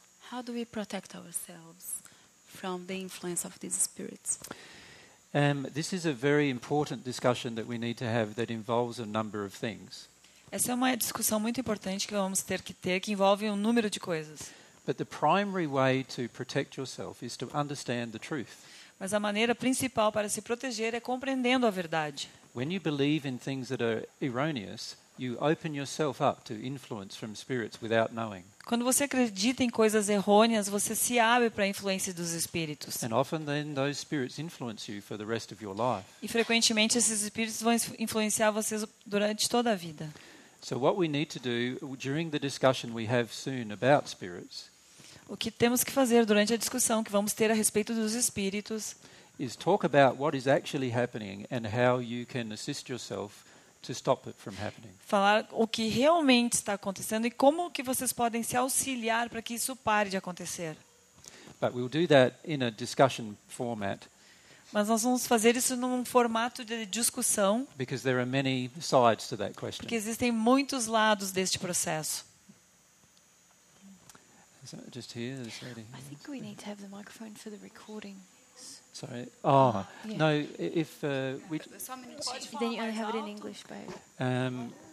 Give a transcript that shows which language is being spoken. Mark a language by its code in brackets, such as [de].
[en] How do we protect ourselves from the influence of these spirits? This is a very important discussion that we need to have that involves a number of things. [pt] Essa é uma discussão muito importante que vamos ter que envolve número de coisas. [en] But the primary way to protect yourself is to understand the truth. [pt] Mas a maneira principal para se proteger é compreendendo a verdade. [en] When you believe in things that are erroneous, you open yourself up to influence from spirits without knowing. [pt] Quando você acredita em coisas errôneas, você se abre para a influência dos espíritos. [en] And often then those spirits influence you for the rest of your life. [pt] E frequentemente esses espíritos vão influenciar vocês durante toda a vida. [en] So what we need to do during the discussion we have soon about spirits. [pt] O que temos que fazer durante a discussão que vamos ter a respeito dos espíritos [en] is talk about what is actually happening and how you can assist yourself to stop it from happening. [pt] Falar o que realmente está acontecendo e como que vocês podem se auxiliar para que isso pare de acontecer. [en] But we'll do that in a discussion format. [pt] Mas nós vamos fazer isso num formato de discussão. [en] Because there are many sides to that question. [pt] Porque existem muitos lados deste processo. [en] Is that just here? Is that here? I think we need to have the microphone for the recording. Sorry. Oh, yeah. No, if we... Then you only have it in English, babe.